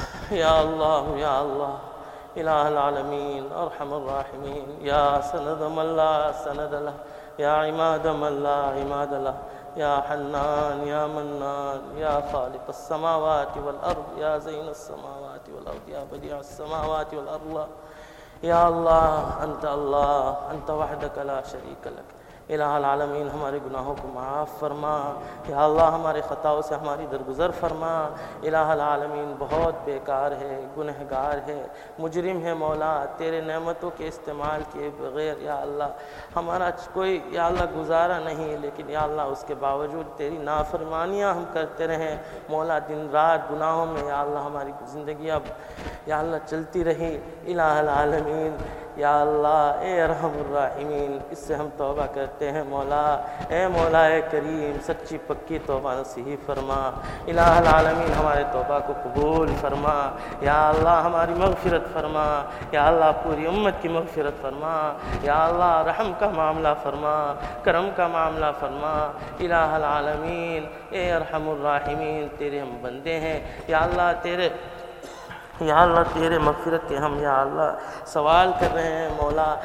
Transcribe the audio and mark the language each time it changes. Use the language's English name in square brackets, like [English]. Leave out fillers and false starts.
[Arabic] يا الله يا الله إله العالمين، أرحم الراحمين، يا سند من لا سند له، يا عماد من لا عماد له، يا حنان يا منان، يا خالق السماوات والأرض، يا زين السماوات والأرض، يا بديع السماوات والأرض. يا الله أنت الله، أنت وحدك لا شريك لك. [Urdu] إله العالمين، ہمارے گناہوں کو معاف فرما. یا اللہ، ہمارے خطاؤں سے ہماری درگزر فرما. إله العالمين، بہت بیکار ہے، گنہگار ہے، مجرم ہے مولا، تیرے نعمتوں کے استعمال کے بغیر یا اللہ ہمارا کوئی یا اللہ گزارا نہیں، لیکن یا اللہ اس کے باوجود تیری نافرمانیاں ہم کرتے رہے مولا دن رات گناہوں میں. یا اللہ ہماری زندگی اب یا اللہ چلتی رہی. إله العالمين، یا اللہ اے رحم الرحیمین، اس سے ہم توبہ کرتے ہیں مولا. اے مولا اے کریم، سچی پکی توبہ نصیب فرما. الہ العالمین، ہمارے توبہ کو قبول فرما. یا اللہ ہماری مغفرت فرما. یا اللہ پوری امت کی مغفرت فرما. یا اللہ رحم کا معاملہ فرما، کرم کا معاملہ فرما. الہ العالمین، اے رحم الرحیمین، تیرے ہم بندے ہیں یا اللہ، تیرے یا اللہ تیرے مغفرت کے ہم یا اللہ سوال کر رہے ہیں مولا.